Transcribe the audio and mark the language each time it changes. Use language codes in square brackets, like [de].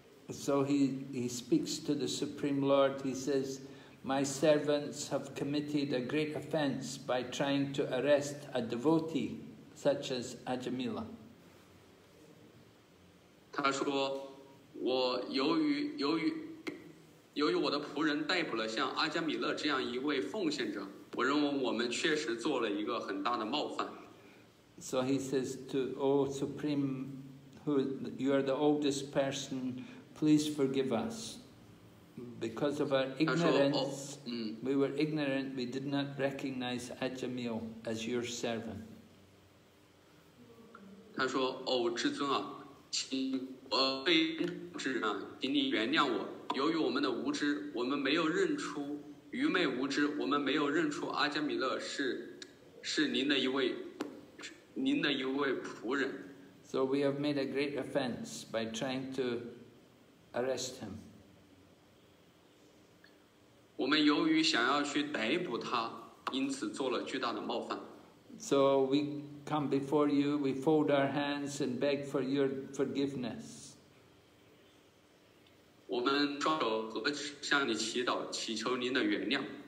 [en] So he speaks to the Supreme Lord. He says,My servants have committed a great offense by trying to arrest a devotee such as Ajamila. [zh] 他说，我由于我的仆人逮捕了像阿加米勒这样一位奉献者，我认为我们确实做了一个很大的冒犯。 [en] So he says to O Supreme, who you are the oldest person, please forgive us. Because of our ignorance, [zh] 他说, oh, [en] we were ignorant, we did not recognize Ajamil as your servant. [zh] 他说, oh, 至尊啊, 请, 非智啊, 请你原谅我, 由于我们的无知, 我们没有认出, 愚昧无知, 我们没有认出阿加米勒是, 是您的一位仆人。 [en] So we have made a great offense by trying to arrest him. [zh] 我们由于想要去逮捕他，因此做了巨大的冒犯。 [en] So we come before you, we fold our hands and beg for your forgiveness. [zh] 我们双手合十向你祈祷，祈求您的原谅。